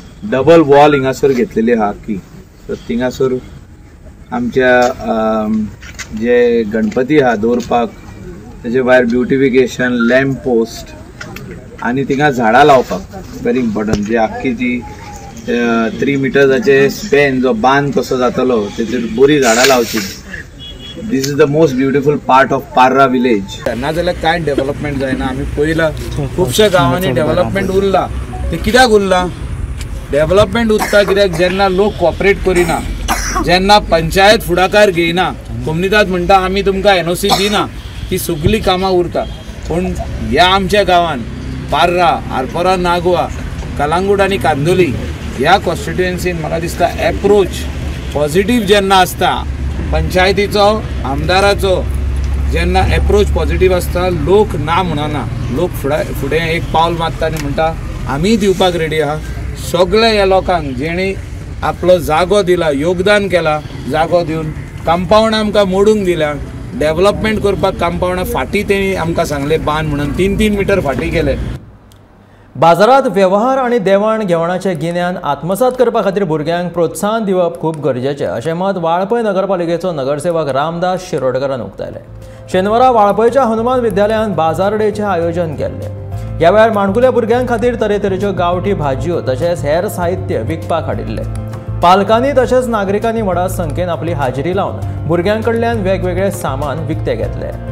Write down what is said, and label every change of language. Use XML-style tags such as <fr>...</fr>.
<gom>Double wall हिंगासर घेतलेली आहा आख्खी. सो थिंगासर आमच्या जे गणपती आहा दवरपाक, तेजे भायर ब्युटिफिकेशन, लॅम्प पोस्ट आनी थिंगा झाडां लावपाक</gom> <en>Very important.</en> <gom>जी आख्खी जी 3 मिटर्साचे स्पॅन जो बांद कसो जातलो तेजेर बरी झाडां लावची.</gom> <en>This is the most beautiful part of Parra village.</en> <gom>ना जाल्यार कांय डेवलॉपमेंट जायना. आमी पयला खुबशा गांवांनी डेवलॉपमेंट उरला. ते कित्याक उरला? डेवलॉपमेंट उरता कित्याक जेन्ना लोक कॉपरेट करिना, जेन्ना पंचायत फुडाकार घेयना. कोमनीदाद म्हणटा आमी तुमकां एनओसी दिना, ती सगळीं कामां उरता. पूण ह्या आमच्या गांवान पार्रा, आरपोरा नागवा, कलांगूट आनी कांदोली ह्या कॉन्स्टिट्युएंसीन म्हाका दिसता एप्रोच पॉझिटीव जेन्ना आसता पंचायतीचो आमदाराचो, जेन्ना एप्रोच पॉझिटीव आसता लोक ना म्हणना. लोक फुडें एक पावल मारता आनी म्हणटा आमीय दिवपाक रेडी आहा. सगळ्या ह्या लोकांक जेणी आपलो जागो दिला, योगदान केला, जागो दिवन कंपाऊंड आमकां मोडूंक दिल्या, डॅवलपमेंट करपाक कंपाऊंडा फाटी तेणी आमकां सांगले बांद म्हणून 3-3 मिटर फाटी केले. बाजारात व्यवहार आनी देवाण घेवणाचे गिन्यान आत्मसात करपा खातीर भुरग्यांक प्रोत्साहन दिवप खूब गरजेचे अशें मत वाळपय नगरपालिकेचो नगरसेवक रामदास शिरोडकरान उक्तायले. शेनवारा वाळपयच्या हनुमान विद्यालयान बाजार डेचे आयोजन केल्ले. ह्या वेळार माणकुल्या भुरग्यां खातीर तरेतरेच्यो गांवठी भाजयो तशेंच हेर साहित्य विकपाक हाडिल्ले. पालकांनी तशेंच नागरिकांनी व्हडा संख्येन आपली हाजिरी लावन भुरग्यां कडल्यान वेगवेगळे सामान विकते घेतले.</gom>